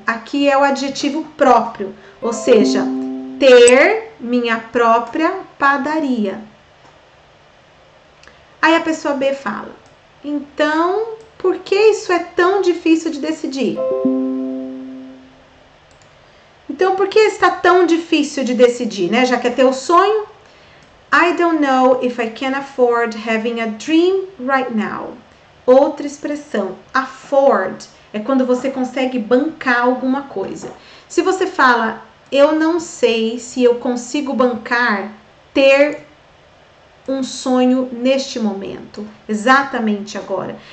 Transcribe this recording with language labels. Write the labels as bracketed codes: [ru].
[pt] Aqui é o adjetivo próprio, ou seja, ter minha própria padaria. Aí a pessoa B fala: então, por que isso é tão difícil de decidir? Então, por que está tão difícil de decidir, né? Já que é teu sonho? [en] I don't know if I can afford having a dream right now. [pt] Outra expressão, afford, é quando você consegue bancar alguma coisa. Se você fala, eu não sei se eu consigo bancar ter um sonho neste momento, exatamente agora.